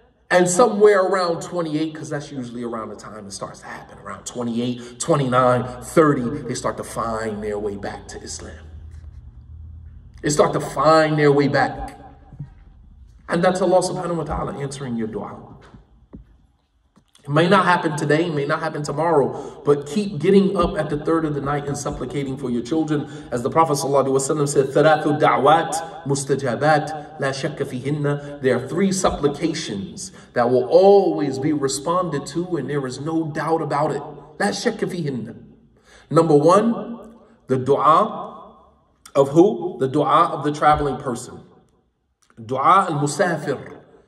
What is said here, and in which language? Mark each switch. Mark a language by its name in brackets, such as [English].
[English] And somewhere around 28, because that's usually around the time it starts to happen, around 28, 29, 30, they start to find their way back to Islam. They start to find their way back. And that's Allah subhanahu wa ta'ala answering your dua. It may not happen today, may not happen tomorrow, but keep getting up at the third of the night and supplicating for your children. As the Prophet ﷺ said, [Arabic] ثَلَاثُ دَعْوَاتْ مُسْتَجَابَاتْ لَا شَكَّ فِيهِنَّ. [English] There are three supplications that will always be responded to, and there is no doubt about it. [Arabic] لَا شَكَّ فِيهِنَّ. [English] Number one, the dua of who? The dua of the traveling person. Dua al-musafir.